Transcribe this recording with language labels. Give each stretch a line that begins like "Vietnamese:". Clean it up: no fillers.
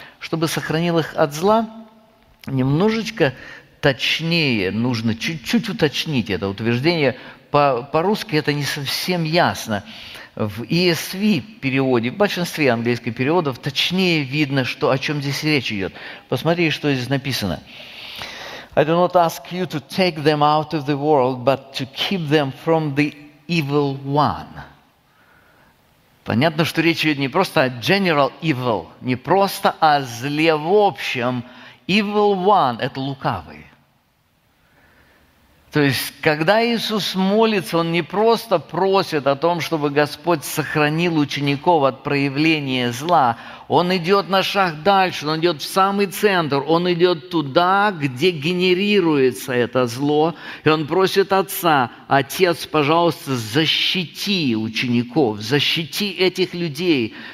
Russian: Чтобы сохранил их от зла, немножечко точнее нужно, чуть-чуть уточнить это утверждение. По-русски это не совсем ясно. В ESV переводе, в большинстве английских переводов, точнее видно, что, о чем здесь речь идет. Посмотрите, что здесь написано.
English: I do not ask you to take them out of the world, but to keep them from the evil one.
Russian: Понятно, что речь идет не просто о
English: general evil,
Russian: не просто о зле в общем.
English: Evil one
Russian: – это лукавый. То есть, когда Иисус молится, Он не просто просит о том, чтобы Господь сохранил учеников от проявления зла, Он идет на шаг дальше, Он идет в самый центр, Он идет туда, где генерируется это зло, и Он просит Отца: «Отец, пожалуйста, защити учеников, защити этих людей,